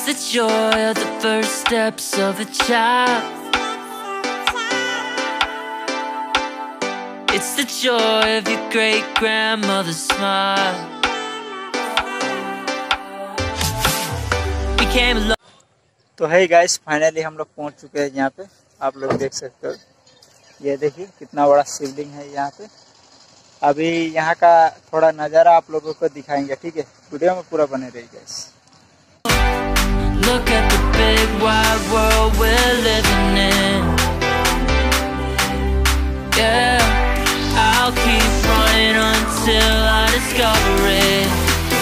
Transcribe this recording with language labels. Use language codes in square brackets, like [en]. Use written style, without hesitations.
[en] Joy are the first steps of a child. It's the joy of your great grandmother's smile. We came along. [hi] तो hey guys, finally हम लोग पहुंच चुके हैं यहाँ पे, आप लोग देख सकते हो। ये देखिए कितना बड़ा sibling है यहाँ पे। अभी यहाँ का थोड़ा नजारा आप लोगों को दिखाएंगे, ठीक है। वीडियो में पूरा बने रहिए guys. [en] Look at the big wide world we're living in. Yeah, I'll keep running until I discover it.